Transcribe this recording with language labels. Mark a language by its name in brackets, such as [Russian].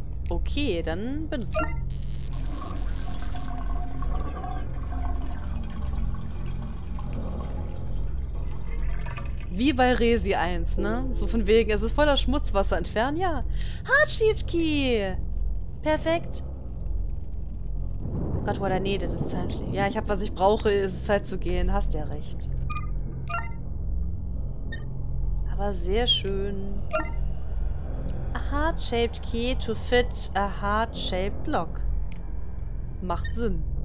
[German] Okay, dann benutzen. Wie bei Resi 1, ne? So von wegen, es ist voller Schmutzwasser entfernen, ja. Hardshift Key! Perfekt. Oh Gott, [English] what I needed is time to leave. [German] Ja, ich hab, was ich brauche, ist Zeit zu gehen. Hast ja recht. Aber sehr schön. [English] A heart-shaped key to fit a heart-shaped lock. [German] Macht Sinn.